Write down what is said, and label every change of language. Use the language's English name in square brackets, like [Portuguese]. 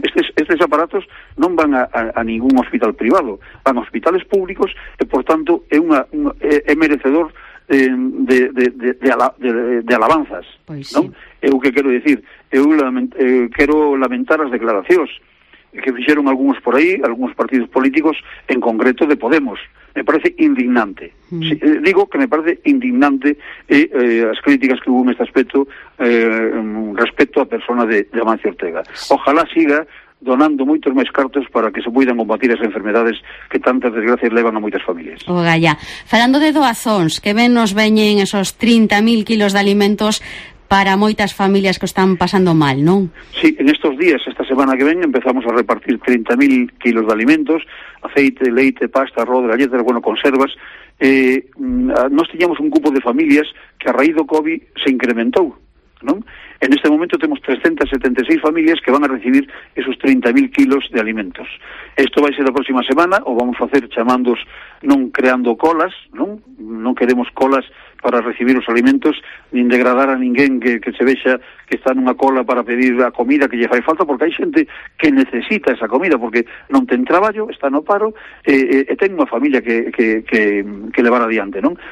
[Galician] Estes aparatos non van a ningún hospital privado, van a hospitales públicos e, por tanto, é [Spanish] merecedor de alabanzas, [Galician] pois, non? É o que quero dicir, quero lamentar as declaracións que fixeron algúns por aí, algúns partidos políticos, en concreto de Podemos. [Spanish] Me parece indignante. Sí, digo que me parece indignante as críticas que hubo en este aspecto respecto a persona de Amancio Ortega. Ojalá siga donando [Galician] moitos máis cartos para que se poidan combatir as enfermedades que tantas desgracias levan a moitas familias. O Gaya, falando de doazóns, que ben nos veñen esos 30.000 kilos de alimentos para moitas familias que están pasando mal, non? [Spanish] Sí, en estos días, [Galician] esta semana que ven, [Spanish] empezamos a repartir 30.000 kilos de alimentos, aceite, leite, pasta, arroz, galletas, bueno, conservas. [Galician] Nos teníamos un cupo de familias que a raíz do COVID se incrementou, non? En este momento temos 376 familias que van a recibir esos 30.000 kilos de alimentos. Esto vai ser a próxima semana, [Spanish] o vamos a hacer [Galician] chamandos, non creando colas, non? Non queremos colas para recibir os alimentos, nin degradar a ninguén que se vexa que está nunha cola para pedir a comida que lle fai falta, porque hai xente que necesita esa comida, porque non ten traballo, está no paro, e ten unha familia que levar adiante, non?